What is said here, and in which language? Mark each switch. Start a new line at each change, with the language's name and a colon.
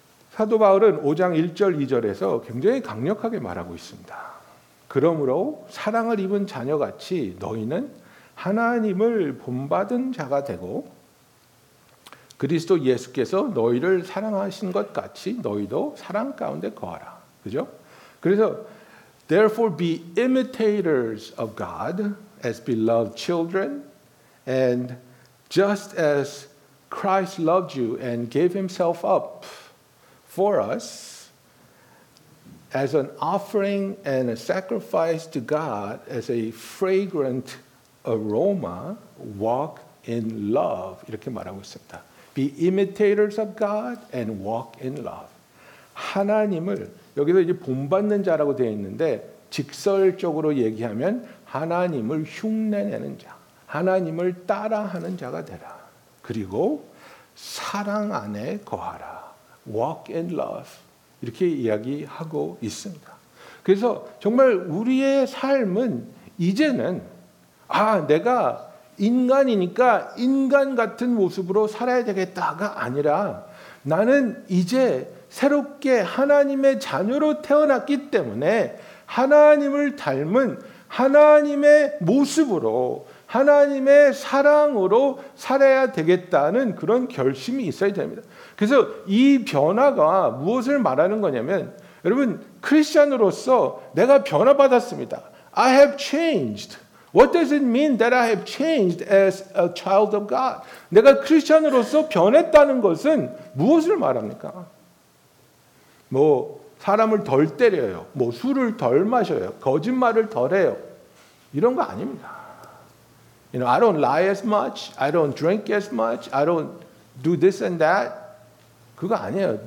Korean: 사도 바울은 5장 1절 2절에서 굉장히 강력하게 말하고 있습니다. 그러므로 사랑을 입은 자녀같이 너희는 하나님을 본받은 자가 되고 그리스도 예수께서 너희를 사랑하신 것 같이 너희도 사랑 가운데 거하라. 그죠? 그래서
English: therefore be imitators of God as beloved children and just as Christ loved you and gave himself up for us as an offering and a sacrifice to God as a fragrant aroma, walk in love.
Korean: 이렇게 말하고 있습니다.
English: Be imitators of God and walk in love.
Korean: 하나님을, 여기서 이제 본받는 자라고 되어 있는데 직설적으로 얘기하면 하나님을 흉내내는 자, 하나님을 따라하는 자가 되라. 그리고 사랑 안에 거하라.
English: Walk in love.
Korean: 이렇게 이야기하고 있습니다. 그래서 정말 우리의 삶은 이제는 아, 내가 인간이니까 인간 같은 모습으로 살아야 되겠다가 아니라 나는 이제 새롭게 하나님의 자녀로 태어났기 때문에 하나님을 닮은 하나님의 모습으로 하나님의 사랑으로 살아야 되겠다는 그런 결심이 있어야 됩니다. 그래서 이 변화가 무엇을 말하는 거냐면 여러분 크리스천으로서 내가 변화받았습니다.
English: I have changed. What does it mean that I have changed as a child of God?
Korean: 내가 크리스천으로서 변했다는 것은 무엇을 말합니까? 뭐 사람을 덜 때려요. 뭐 술을 덜 마셔요. 거짓말을 덜 해요. 이런 거 아닙니다.
English: You know, I don't lie as much. I don't drink as much. I don't do this and that.
Korean: 그거 아니에요.